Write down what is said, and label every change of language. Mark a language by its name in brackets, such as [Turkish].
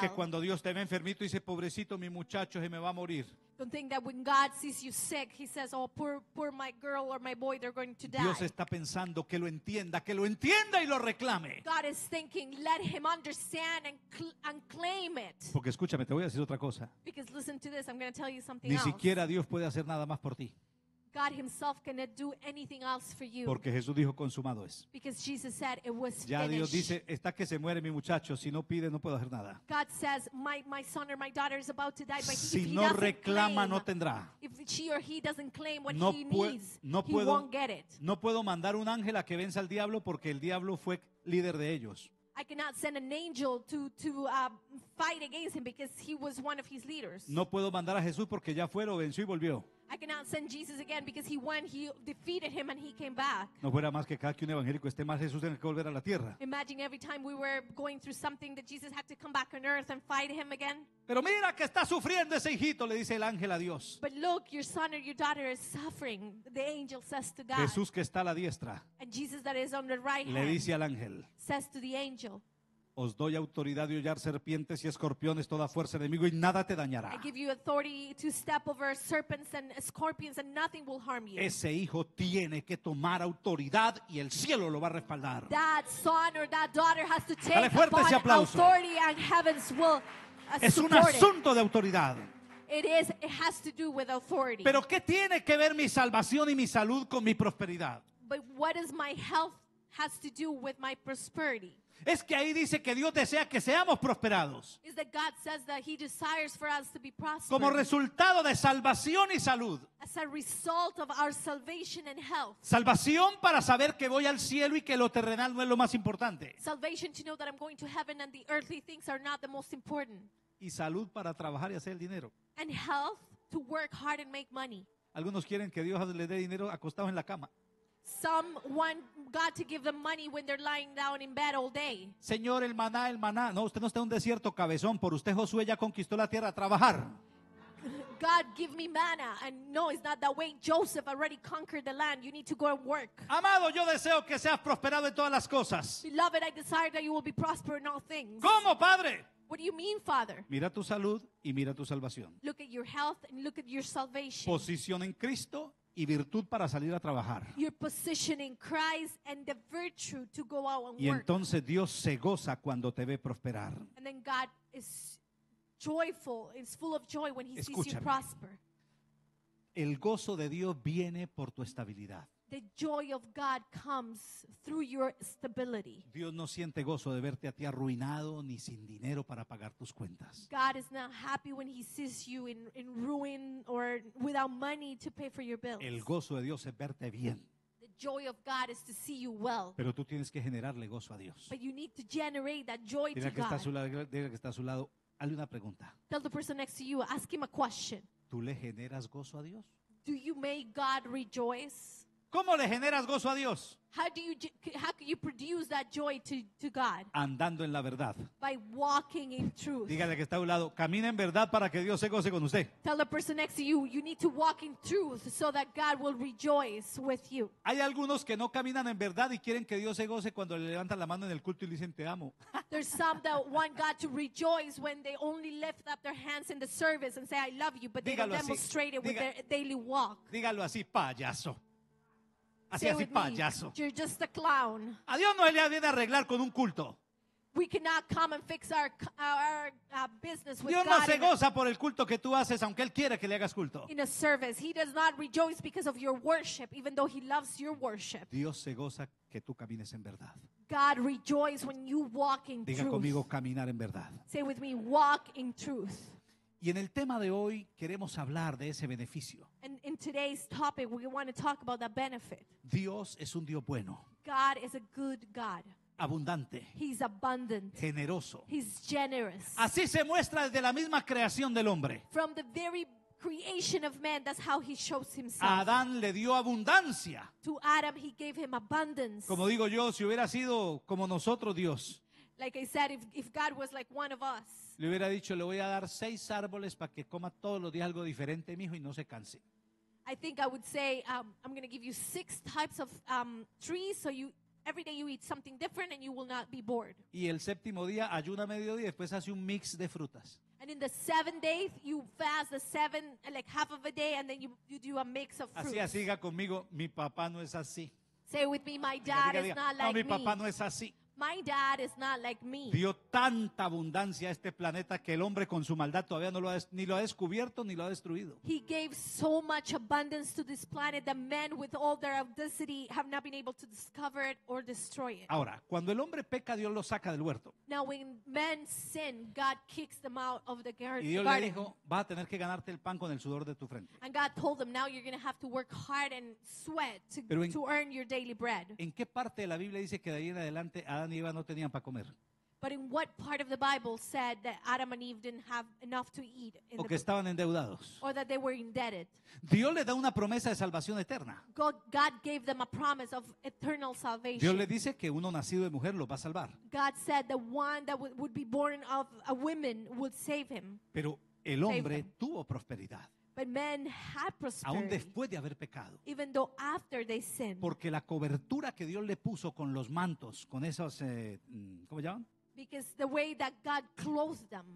[Spanish] Que cuando Dios te ve enfermito y dice pobrecito mi muchacho se me va a morir. [English] Don't think that when God sees you sick, he says, oh, poor my girl or my boy, they're going to die. [Spanish] Dios está pensando que lo entienda, que lo entienda y lo reclame. [English] God is thinking, let him understand and claim it. [Spanish] Porque escúchame, te voy a decir otra cosa. [English] Because listen to this, I'm going to tell you something [Spanish] ni [English] else. [Spanish] Ni siquiera Dios puede hacer nada más por ti. [English] God himself cannot do anything else for you. [Spanish] Porque Jesús dijo consumado es. [English] Because Jesus said it was [Spanish] ya [English] finished. [Spanish] Ya Dios dice, está que se muere mi muchacho, si no pide no puedo hacer nada. [English] God says my son or my daughter is about to die, but [Spanish] si [English] if he [Spanish] si no [English] doesn't [Spanish] reclama [English] claim, [Spanish] no tendrá. [English] If she or he doesn't claim what [Spanish] no [English] he needs, [Spanish] no [English] he [Spanish] puedo, [English] won't get it. [Spanish] No puedo mandar un ángel a que venza al diablo porque el diablo fue líder de ellos. [English] I cannot send an angel to fight against him because he was one of his leaders. [Spanish] No puedo mandar a Jesús porque ya fue, lo venció y volvió. [English] I cannot send Jesus again because he won, he defeated him and he came back. [Spanish] No fuera más que cada que un evangélico esté mal, Jesús tenga que volver a la tierra. [English] Imagine every time we were going through something that Jesus had to come back on earth and fight him again. [Spanish] Pero mira que está sufriendo ese hijito, le dice el ángel a Dios. [English] But look, your son or your daughter is suffering, the angel says to God. [Spanish] Jesús que está a la diestra. [English] And Jesus that is on the right hand. [Spanish] Le dice al ángel. [English] Says to the angel. [Spanish] Os doy autoridad de hollar serpientes y escorpiones, toda fuerza enemigo y nada te dañará. [English] I give you authority to step over serpents and scorpions and nothing will harm you. [Spanish] Ese hijo tiene que tomar autoridad y el cielo lo va a respaldar. [English] That son or that daughter has to take upon authority and heavens will support it. [Spanish] Es un asunto de autoridad. [English] It has to do with authority. [Spanish] Pero ¿qué tiene que ver mi salvación y mi salud con mi prosperidad? [English] But what is my health has to do with my prosperity? [Spanish] Es que ahí dice que Dios desea que seamos prosperados. [English] Is that God says that he desires for us to be prosperous. [Spanish] Como resultado de salvación y salud. [English] As a result of our salvation and health. [Spanish] Salvación para saber que voy al cielo y que lo terrenal no es lo más importante. [English] Salvation to know that I'm going to heaven and the earthly things are not the most important. [Spanish] Y salud para trabajar y hacer el dinero. [English] And health to work hard and make money. [Spanish] Algunos quieren que Dios les dé dinero acostados en la cama. [English] Some want God to give them money when they're lying down in bed all day. [Spanish] Señor, el maná. No, usted no está en un desierto, cabezón. Por usted Josué ya conquistó la tierra a trabajar. [English] God, give me manna. And no, it's not that way. Joseph already conquered the land. You need to go and work. [Spanish] Amado, yo deseo que seas prosperado en todas las cosas. [English] Beloved, I desire that you will be prosperous in all things. [Spanish] ¿Cómo, padre? [English] What do you mean, Father? [Spanish] Mira tu salud y mira tu salvación. [English] Look at your health and look at your salvation. [Spanish] Posición en Cristo y virtud para salir a trabajar. [English] Your position in Christ and the virtue to go out and work. [Spanish] Y entonces Dios se goza cuando te ve prosperar. [English] And then God is joyful, is full of joy when he [Spanish] escúchame, [English] sees you prosper. [Spanish] El gozo de Dios viene por tu estabilidad. [English] The joy of God comes through your stability. [Spanish] Dios no siente gozo de verte a ti arruinado ni sin dinero para pagar tus cuentas. [English] God is not happy when he sees you in ruin or without money to pay for your bills. [Spanish] El gozo de Dios es verte bien. [English] The joy of God is to see you well. [Spanish] Pero tú tienes que generarle gozo a Dios. [English] But you need to generate that joy [Spanish] dile [English] to God. [Spanish] Dile que está a su lado, hazle una pregunta. [English] Tell the person next to you, ask him a question. [Spanish] ¿Tú le generas gozo a Dios? [English] Do you make God rejoice? [Spanish] ¿Cómo le generas gozo a Dios? [English] How can you produce that joy to God? [Spanish] Andando en la verdad. [English] By walking in truth. [Spanish] Dígale que está a un lado, camina en verdad para que Dios se goce con usted. [English] Tell the person next to you, you need to walk in truth so that God will rejoice with you. [Spanish] Hay algunos que no caminan en verdad y quieren que Dios se goce cuando le levantan la mano en el culto y le dicen te amo. [English] There's some that want God to rejoice when they only lift up their hands in the service and say I love you, but they don't [Spanish] así. [English] Demonstrate it with their daily walk. [Spanish] Dígalo así, payaso. Así payaso. [English] You're just a clown. [Spanish] A Dios no le viene a arreglar con un culto. [English] We cannot come and fix our business with [Spanish] Dios [English] God. [Spanish] Dios no se goza por el culto que tú haces, aunque él quiere que le hagas culto. [English] In a service, he does not rejoice because of your worship, even though he loves your worship. [Spanish] Dios se goza que tú camines en verdad. [English] God rejoices when you walk in truth. [Spanish] Diga conmigo caminar en verdad. [English] Say with me, walk in truth. [Spanish] Y en el tema de hoy queremos hablar de ese beneficio. [English] And in today's topic, we want to talk about that benefit. [Spanish] Dios es un Dios bueno. [English] God is a good God. [Spanish] Abundante. [English] He's abundant. [Spanish] Generoso. [English] He's generous. [Spanish] Así se muestra desde la misma creación del hombre. [English] From the very creation of man, that's how he shows himself. [Spanish] Adán le dio abundancia. [English] To Adam, he gave him abundance. [Spanish] Como digo yo, si hubiera sido como nosotros Dios. [English] Like I said, if God was like one of us. [Spanish] Le hubiera dicho, le voy a dar 6 árboles para que coma todos los días algo diferente, mijo, y no se canse. [English] I think I would say, I'm going to give you 6 types of trees, so you every day you eat something different and you will not be bored. [Spanish] Y el séptimo día, ayuna medio día, después hace un mix de frutas. [English] And in the 7 days, you fast the 7, like half of a day, and then you do a mix of fruits. [Spanish] Así, siga conmigo, mi papá no es así. [English] Say with me, my dad [Spanish] diga, [English] is not like me. [Spanish] No, mi papá no es así. [English] My dad is not like me. [Spanish] Dio tanta abundancia a este planeta que el hombre con su maldad todavía no lo ha, ni lo ha descubierto ni lo ha destruido. [English] He gave so much abundance to this planet that men with all their audacity have not been able to discover it or destroy it. [Spanish] Ahora, cuando el hombre peca, Dios lo saca del huerto. [English] Now when men sin, God kicks them out of the garden. [Spanish] Y Dios le dijo, vas a tener que ganarte el pan con el sudor de tu frente. [English] And God told them, now you're going to have to work hard and sweat to earn your daily bread. [Spanish] ¿En qué parte de la Biblia dice que de ahí en adelante Adán y Eva no tenían para comer? [English] But in what part of the Bible said that Adam and Eve didn't have enough to eat? [Spanish] O que estaban endeudados. [English] Or that they were indebted. [Spanish] Dios le da una promesa de salvación eterna. [English] God gave them a promise of eternal salvation. [Spanish] Dios le dice que uno nacido de mujer lo va a salvar. [English] God said the one that would be born of a woman would save him. [Spanish] Pero el hombre tuvo prosperidad. [English] But men had prosperity, [Spanish] aún después de haber pecado, [English] even though after they sinned, [Spanish] porque la cobertura que Dios le puso con los mantos, con esos, ¿cómo llaman? [English] Because the way that God clothed them,